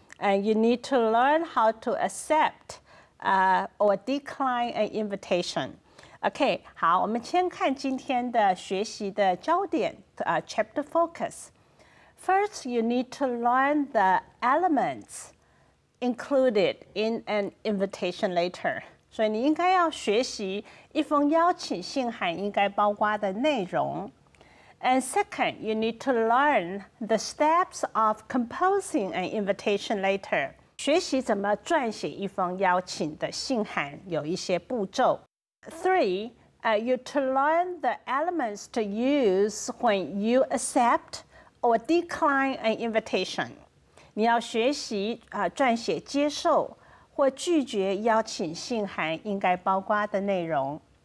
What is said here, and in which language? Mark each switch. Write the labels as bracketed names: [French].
[English] And you need to learn how to accept or decline an invitation. [Chinese] Okay, 好，我们先看今天的学习的焦点 [English] chapter focus. First, you need to learn the elements included in an invitation letter. [Chinese] 所以你应该要学习一封邀请信函应该包括的内容。 [English] And second, you need to learn the steps of composing an invitation letter. [Chinese] 学习怎么撰写一封邀请的信函有一些步骤。 [English] Three, you to learn the elements to use when you accept or decline an invitation. [Chinese] 你要学习撰写接受或拒绝邀请信函应该包括的内容。